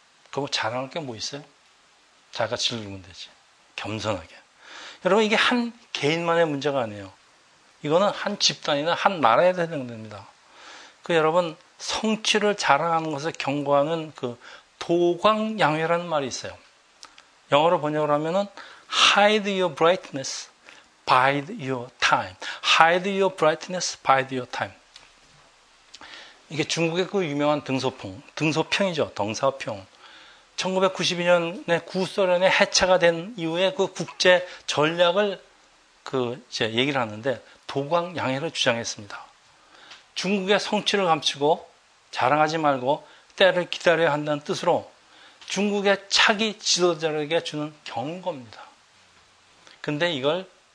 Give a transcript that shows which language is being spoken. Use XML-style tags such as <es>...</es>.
<ko>그거 자랑할 게 뭐 있어요? 자기가 즐기면 되지. 겸손하게. 여러분, 이게 한 개인만의 문제가 아니에요. 이거는 한 집단이나 한 나라에 해당됩니다. 그 여러분, 성취를 자랑하는 것을 경고하는 그 도광양회라는 말이 있어요. 영어로 번역을 하면은</ko> <en>hide your brightness, bide your time. hide your brightness, bide your time.</en> <ko>이게 중국의 그 유명한 등소평이죠. 덩사오평. 1992년에 구소련의 해체가 된 이후에 그 국제 전략을 그 이제 얘기를 하는데 도광 양해를 주장했습니다. 중국의 성취를 감추고 자랑하지 말고 때를 기다려야 한다는 뜻으로 중국의 차기 지도자들에게 주는 경고입니다. 근데 이걸</ko>